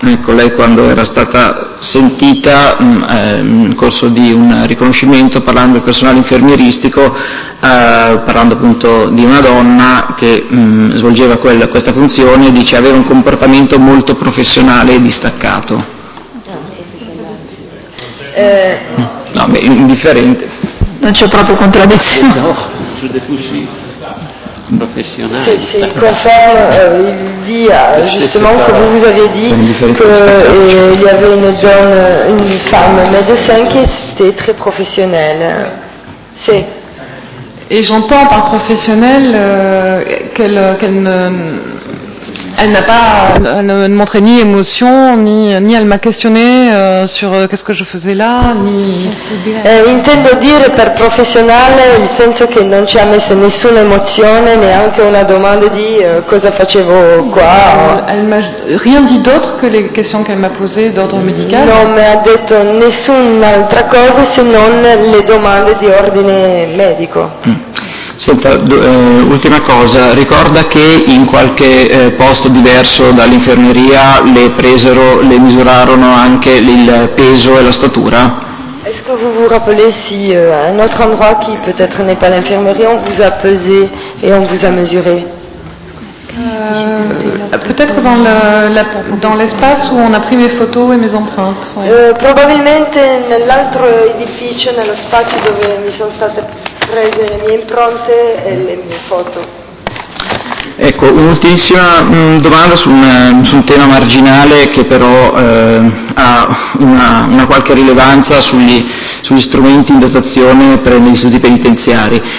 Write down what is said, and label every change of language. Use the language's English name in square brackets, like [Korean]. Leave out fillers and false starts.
[Italian] Ecco, lei quando era stata sentita in corso di un riconoscimento, parlando del personale infermieristico, parlando appunto di una donna che svolgeva questa funzione, dice aveva un comportamento molto professionale e distaccato. No, indifferente. Non c'è proprio contraddizione. [French] No, je l'ai touché. C'est conforme, il dit justement que vous avez dit qu'il y avait une donne, une femme médecin qui était très professionnelle. C'est. Et j'entends par professionnelle qu'elle ne, elle n'a pas elle montré ni émotion, ni elle m'a questionné sur qu'est-ce que je faisais là, ni. [Italian] Intendo dire per professionnelle, il senso che non ci ha messo nessuna emozione, neanche una domanda di cosa facevo qua. [French] Elle m'a rien dit d'autre que les questions qu'elle m'a posées d'ordre médical. [Italian] Non mi ha detto nessun'altra cosa se non le domande di ordine medico. Senta, ultima cosa, ricorda che in qualche posto diverso dall'infermeria le presero, le misurarono anche il peso e la statura? [French] Est-ce que vous vous rappelez si un autre endroit qui peut-être n'est pas l'infermerie on vous a pesé et on vous a mesuré? Peut-être dans dans l'espace où on a pris mes photos et mes empreintes. Ouais. [Italian] Probabilmente nell'altro edificio, nello spazio dove mi sono state prese le mie impronte e le mie foto. Ecco, un'ultimissima domanda su un tema marginale che però ha una qualche rilevanza sugli strumenti in dotazione per gli istituti penitenziari.